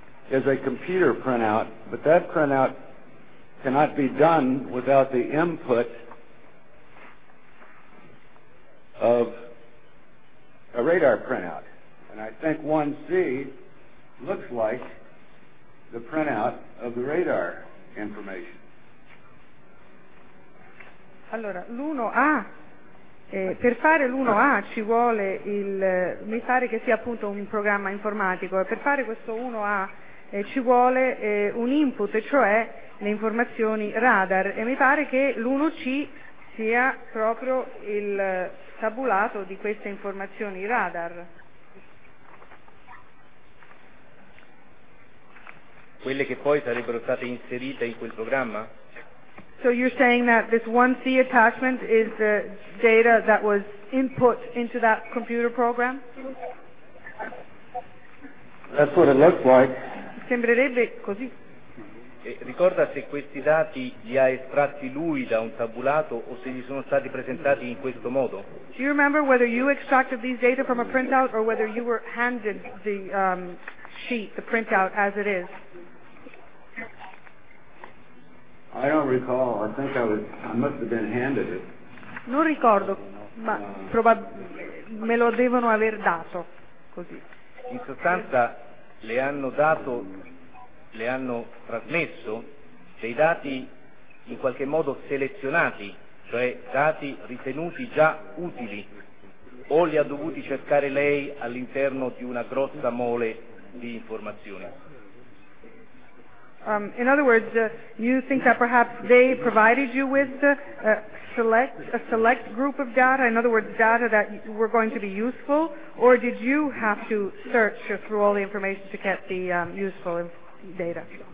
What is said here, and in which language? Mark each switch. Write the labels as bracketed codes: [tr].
[en] is a computer printout, but that printout cannot be done without the input of a radar printout. And I think 1C looks like the printout of the radar information. [it] Allora, l'1A, per fare l'1A ci vuole il, mi pare che sia appunto un programma informatico, per fare questo 1A ci vuole un input, cioè le informazioni radar, e mi pare che l'1C sia proprio il tabulato di queste informazioni radar. Quelle che poi sarebbero state inserite in quel programma? [en] So you're saying that this 1C attachment is the data that was input into that computer program? That's what it looks like. [it] Sembrerebbe così. E ricorda se questi dati li ha estratti lui da un tabulato o se gli sono stati presentati in questo modo? [en] Do you remember whether you extracted these data from a printout or whether you were handed the sheet, the printout as it is? I don't recall. I think I must have been handed it. [it] Non ricordo, ma me lo devono aver dato, così. In sostanza, le hanno dato, le hanno trasmesso dei dati in qualche modo selezionati, cioè dati ritenuti già utili, o li ha dovuti cercare lei all'interno di una grossa mole di informazioni. [en] In other words, you think that perhaps they provided you with a select group of data, in other words, data that were going to be useful, or did you have to search through all the information to get the useful data?